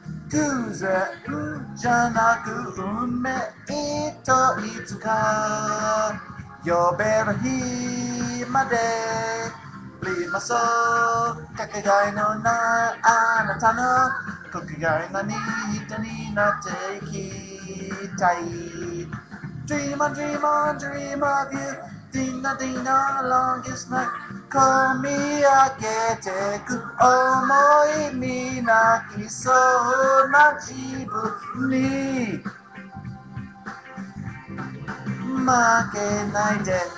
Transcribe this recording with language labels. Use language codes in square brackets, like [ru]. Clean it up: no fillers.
[ja] 偶然じゃなく運命といつか呼べる日まで、プリマソーかけがえのないあなたの、かけがえのない人になっていきたい。 [en] Dream on, dream on, dream of you. Ding dong, ding dong, along your smile. [ja] 込み上げてく想い、みなきそうな自分に負けないで。